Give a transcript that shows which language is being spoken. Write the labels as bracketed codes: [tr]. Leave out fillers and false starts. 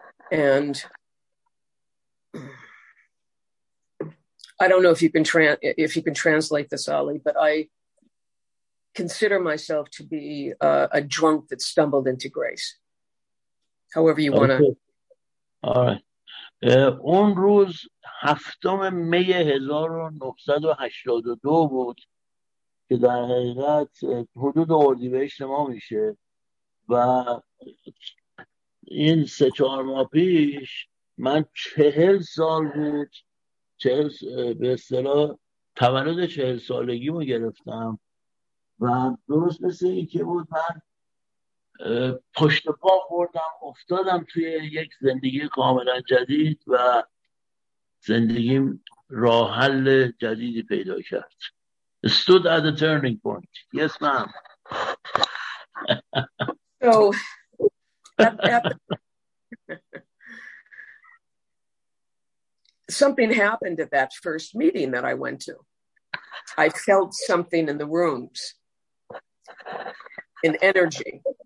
[en] And I don't know if you can translate this, Ali, but I consider myself to be a drunk that stumbled into grace. However you want to. All right. [fa] اون روز هفتم می 1982 بود که در حقیقت حدود اردیبهشت ما میشه و این 3-4 ماه پیش من 40 سال بود، به اصطلاح تولد 40 سالگیمو گرفتم و درست مثل این که بود من پشت پا خوردم، افتادم توی یک زندگی کاملا جدید و زندگیم راه حل جدیدی پیدا کرد. [en] Stood at a turning point. Yes, ma'am. So something happened at that first meeting that I went to. I felt something in the rooms, in energy.